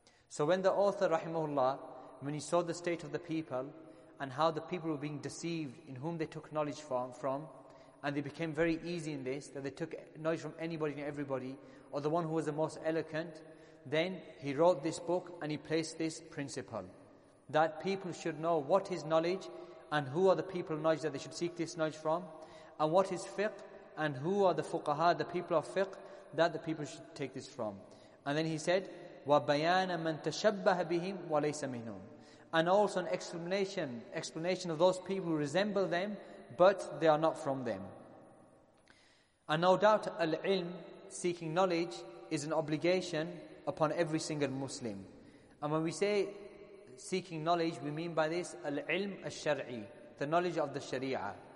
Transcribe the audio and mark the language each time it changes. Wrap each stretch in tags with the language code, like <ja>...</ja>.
<en>So when the author, rahimahullah, when he saw the state of the people and how the people were being deceived in whom they took knowledge from, and they became very easy in this, that they took knowledge from anybody and everybody, or the one who was the most eloquent, then he wrote this book and he placed this principle, that people should know what is knowledge and who are the people of knowledge that they should seek this knowledge from, and what is fiqh and who are the fuqaha, the people of fiqh, that the people should take this from. And then he said,</en> <ar>وَبَيَانَ مَنْ تَشَبَّهَ بِهِمْ وَلَيْسَ مِنْهُمْ.</ar> <en>And also an explanation of those people who resemble them, but they are not from them. And no doubt al-ilm, seeking knowledge, is an obligation upon every single Muslim. And when we say seeking knowledge, we mean by this al-ilm al-shar'i, the knowledge of the sharia.</en>